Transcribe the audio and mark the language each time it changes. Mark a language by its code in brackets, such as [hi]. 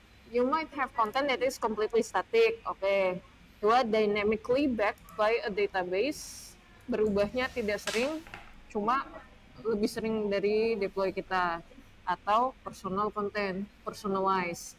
[en] You might have content that is completely static. [id] Oke. Dua, [en] dynamically backed by a database. [id] Berubahnya tidak sering, cuma lebih sering dari deploy kita. [en] Atau personal content, personalized.